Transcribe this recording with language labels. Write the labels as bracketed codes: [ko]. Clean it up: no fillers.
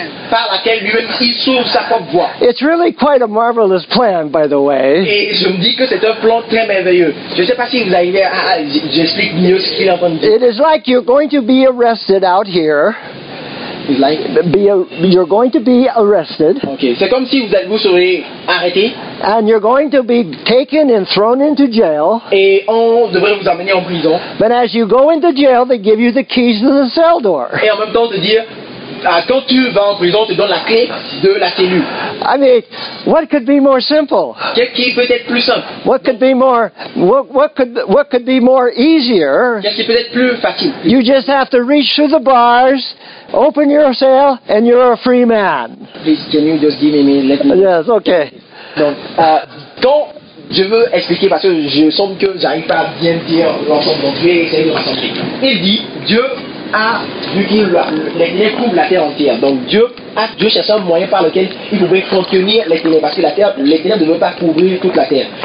[fr] Par laquelle lui-même il s'ouvre sa propre voie. [en] It's really quite a marvelous plan, by the way. [fr] Et je me dis que c'est un plan très merveilleux. Je ne sais pas si vous arrivez à j'explique mieux ce qu'il a entendu. [en] It is like you're going to be arrested out here. You're going to be arrested. [fr] Okay. C'est comme si vous serez arrêté. [en] And you're going to be taken and thrown into jail. [fr] Et on devrait vous amener en prison. [en] But as you go into jail, they give you the keys to the cell door. [fr] Et en même temps de dire, quand tu vas en prison, tu donnes la clé de la cellule. [en] I mean, what could be more simple? [fr] Qu'est-ce qui peut être plus simple? [en] What could be more? What could be more easier? [fr] Qu'est-ce qui peut être plus facile? [en] You just have to reach through the bars. Open your cell and you're a free man. Please, can you just give me let me? Yes, okay. [fr] Donc, quand je veux expliquer parce que je sens que j'arrive pas à bien dire l'ensemble donc je vais essayer de rassembler. Il dit Dieu a vu qu'il les ténèbres couvrent la terre entière. Donc Dieu cherche un moyen par lequel il pouvait contenir les ténèbres parce que la terre, les ténèbres ne veulent pas couvrir toute la terre.